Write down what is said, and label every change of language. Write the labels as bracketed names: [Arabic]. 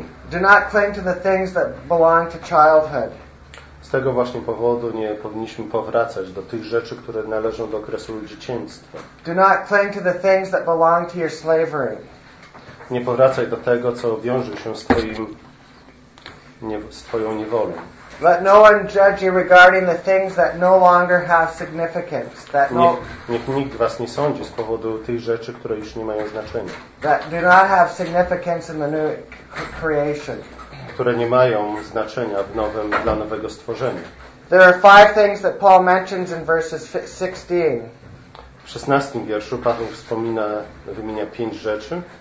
[English] Do not cling to the things that belong to childhood. [Polish] Z tego właśnie powodu nie powinniśmy powracać do tych rzeczy, które należą do okresu dzieciństwa. [English] Do not cling to the things that belong to your slavery. [Polish] Nie powracaj do tego, co wiąże się z twoją niewolą. [English] Let no one judge you regarding the things that no longer have significance. That no, [Polish] niech nikt was nie sądzi z powodu tych rzeczy, które już nie mają znaczenia. [English] That do not have significance in the new creation. [Polish] Które nie mają znaczenia w nowym, dla nowego stworzenia. [English] There are five things that Paul mentions in verses 16. [Polish] W 16 wierszu Paweł wymienia pięć rzeczy.